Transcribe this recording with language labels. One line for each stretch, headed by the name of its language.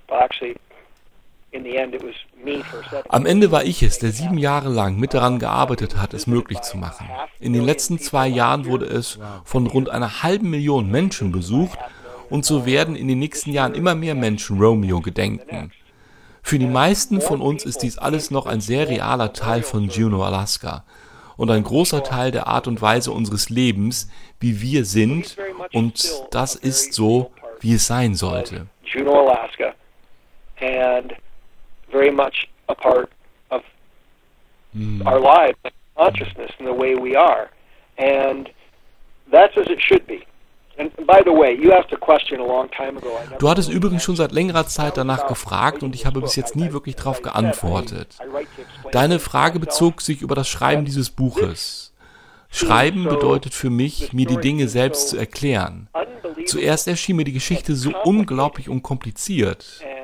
English: Well, actually, in the end, it was me for 7 years.
German: Am Ende war ich es, der 7 Jahre lang mit daran gearbeitet hat, es möglich zu machen. In den letzten 2 Jahren wurde es von rund 500.000 Menschen besucht, und so werden in den nächsten Jahren immer mehr Menschen Romeo gedenken. Für die meisten von uns ist dies alles noch ein sehr realer Teil von Juneau, Alaska. Und ein großer Teil der Art und Weise unseres Lebens, wie wir sind, und das ist so, wie es sein sollte.
English: Juneau, Alaska, and very much a part of our lives, consciousness, and the way we are, and that's as it should be. And by the way, you asked a question a long time ago.
German: Du hattest übrigens schon seit längerer Zeit danach gefragt und ich habe bis jetzt nie wirklich darauf geantwortet. Deine Frage bezog sich über das Schreiben dieses Buches. Schreiben bedeutet für mich, mir die Dinge selbst zu erklären. Zuerst erschien mir die Geschichte so unglaublich und kompliziert.